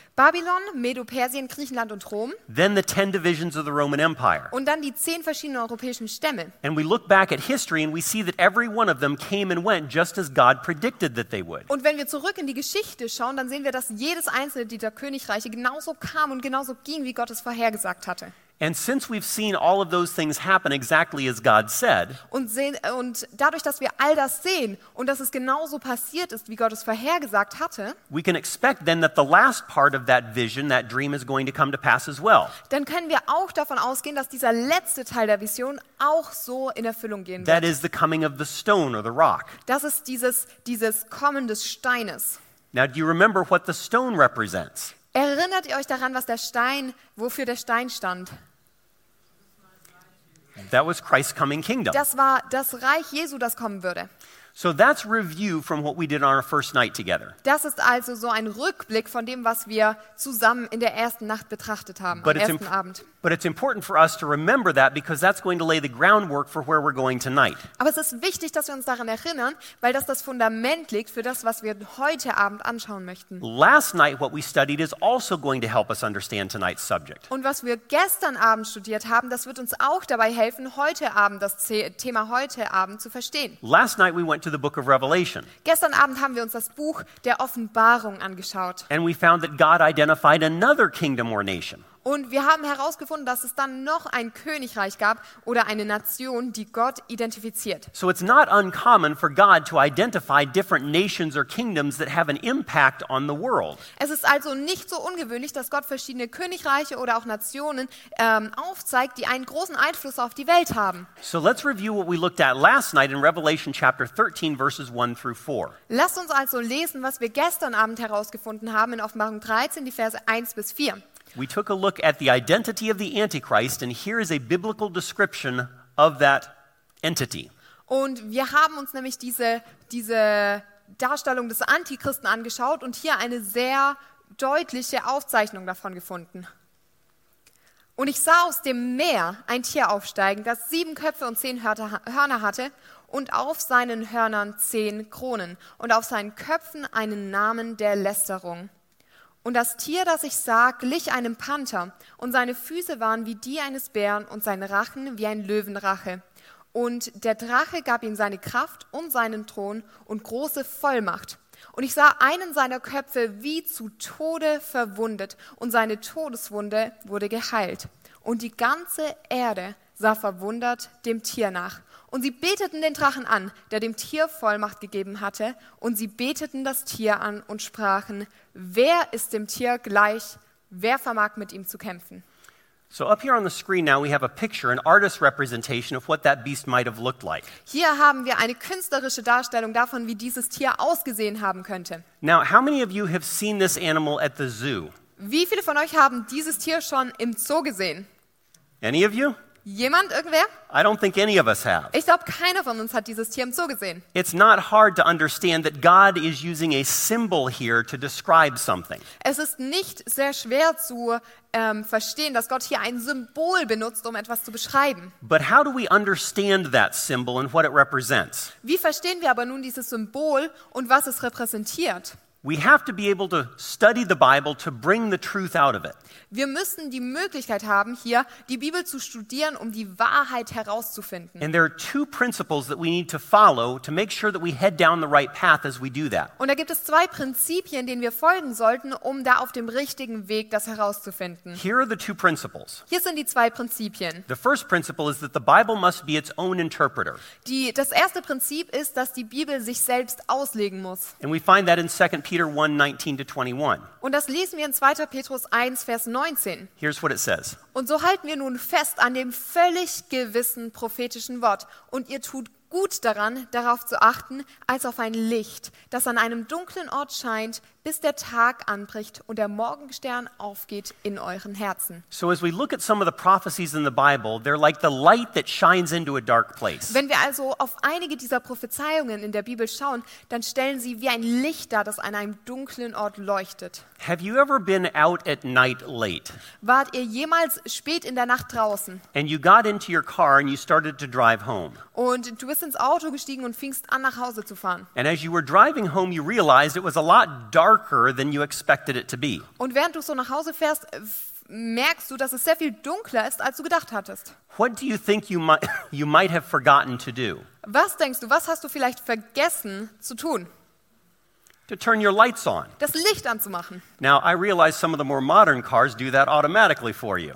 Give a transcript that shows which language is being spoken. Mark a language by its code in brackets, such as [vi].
[de] Babylon, Medo-Persien, Griechenland und Rom. [en] Then the 10 divisions of the Roman Empire. [de] Und dann die 10 verschiedenen europäischen Stämme. [en] And we look back at history and we see that every one of them came and went just as God predicted that they would. [de] Und wenn wir zurück in die Geschichte schauen, dann sehen wir, dass jedes einzelne dieser Königreiche genauso kam und genauso ging, wie Gott es vorhergesagt hatte. [en] And since we've seen all of those things happen exactly as God said, [de] und dadurch, dass wir all das sehen und dass es genauso passiert ist, wie Gott es vorhergesagt hatte, [en] we can expect then that the last part of that vision, that dream, is going to come to pass as well. [de] Dann können wir auch davon ausgehen, dass dieser letzte Teil der Vision auch so in Erfüllung gehen wird. [en] That is the coming of the stone or the rock. [de] Das ist dieses Kommen des Steines. [en] Now, do you remember what the stone represents? [de] Erinnert ihr euch daran, was der Stein, wofür der Stein stand? [en] That was Christ's coming kingdom. [de] Das war das Reich Jesu, das kommen würde. [en] So that's review from what we did on our first night together. [de] Das ist also so ein Rückblick von dem, was wir zusammen in der ersten Nacht betrachtet haben, [en] but [de] am ersten Abend. [en] But it's important for us to remember that because that's going to lay the groundwork for where we're going tonight. [de] Aber es ist wichtig, dass wir uns daran erinnern, weil das Fundament legt für das, was wir heute Abend anschauen möchten. [en] Last night what we studied is also going to help us understand tonight's subject. [de] Und was wir gestern Abend studiert haben, das wird uns auch dabei helfen, heute Abend das Thema heute Abend zu verstehen. [en] Last night we went to the book of Revelation. [de] Gestern Abend haben wir uns das Buch der Offenbarung angeschaut. [en] And we found that God identified another kingdom or nation. [de] Und wir haben herausgefunden, dass es dann noch ein Königreich gab oder eine Nation, die Gott identifiziert. [en] So it's not uncommon for God to identify different nations or kingdoms that have an impact on the world. [de] Es ist also nicht so ungewöhnlich, dass Gott verschiedene Königreiche oder auch Nationen aufzeigt, die einen großen Einfluss auf die Welt haben. [en] So let's review what we looked at last night in Revelation chapter 13 verses 1 through 4. [de] Lasst uns also lesen, was wir gestern Abend herausgefunden haben in Offenbarung 13, die Verse 1 bis 4. [en] We took a look at the identity of the Antichrist, and here is a biblical description of that entity. [de] Und wir haben uns nämlich diese Darstellung des Antichristen angeschaut und hier eine sehr deutliche Aufzeichnung davon gefunden. Und ich sah aus dem Meer ein Tier aufsteigen, das 7 Köpfe und 10 Hörner hatte, und auf seinen Hörnern 10 Kronen, und auf seinen Köpfen einen Namen der Lästerung. Und das Tier, das ich sah, glich einem Panther, und seine Füße waren wie die eines Bären und sein Rachen wie ein Löwenrache. Und der Drache gab ihm seine Kraft und seinen Thron und große Vollmacht. Und ich sah einen seiner Köpfe wie zu Tode verwundet, und seine Todeswunde wurde geheilt. Und die ganze Erde sah verwundert dem Tier nach. Und sie beteten den Drachen an, der dem Tier Vollmacht gegeben hatte, und sie beteten das Tier an und sprachen: Wer ist dem Tier gleich? Wer vermag mit ihm zu kämpfen? [en] So up here on the screen now we have a picture, an artist's representation of what that beast might have looked like. [de] Hier haben wir eine künstlerische Darstellung davon, wie dieses Tier ausgesehen haben könnte. [en] Now, how many of you have seen this animal at the zoo? [de] Wie viele von euch haben dieses Tier schon im Zoo gesehen? [en] Any of you? [de] Jemand, irgendwer? [en] I don't think any of us have. [de] Ich glaube, keiner von uns hat dieses Tier im Zoo gesehen. [en] It's not hard to understand that God is using a symbol here to describe something. [de] Es ist nicht sehr schwer zu verstehen, dass Gott hier ein Symbol benutzt, um etwas zu beschreiben. [en] But how do we understand that symbol and what it represents? [de] Wie verstehen wir aber nun dieses Symbol und was es repräsentiert? [en] We have to be able to study the Bible to bring the truth out of it. [de] Wir müssen die Möglichkeit haben, hier die Bibel zu studieren, um die Wahrheit herauszufinden. [en] And there are two principles that we need to follow to make sure that we head down the right path as we do that. [de] Und da gibt es zwei Prinzipien, denen wir folgen sollten, um da auf dem richtigen Weg das herauszufinden. [en] Here are the two principles. [de] Hier sind die zwei Prinzipien. [en] The first principle is that the Bible must be its own interpreter. [de] Das erste Prinzip ist, dass die Bibel sich selbst auslegen muss. [en] And we find that in 2 Peter 1:19-21. [de] Und das lesen wir in 2. Petrus 1, Vers 19. [en] Here's what it says. [de] Und so halten wir nun fest an dem völlig gewissen prophetischen Wort. Und ihr tut gut daran, darauf zu achten, als auf ein Licht, das an einem dunklen Ort scheint, bis der Tag anbricht und der Morgenstern aufgeht in euren Herzen. [en] So as we look at some of the prophecies in the Bible, they're like the light that shines into a dark place. [de] Wenn wir also auf einige dieser Prophezeiungen in der Bibel schauen, dann stellen sie wie ein Licht dar, das an einem dunklen Ort leuchtet. [en] Have you ever been out at night late? [de] Wart ihr jemals spät in der Nacht draußen? [en] And you got into your car and you started to drive home. [de] Und du bist ins Auto gestiegen und fingst an, nach Hause zu fahren. [en] And as you were driving home, you realized it was a lot darker than you expected it to be. [de] Und während du so nach Hause fährst, merkst du, dass es sehr viel dunkler ist, als du gedacht hattest. [en] What do you think you might have forgotten to do? [de] Was denkst du, was hast du vielleicht vergessen zu tun? [en] To turn your lights on. [de] Das Licht anzumachen. [en] Now I realize some of the more modern cars do that automatically for you.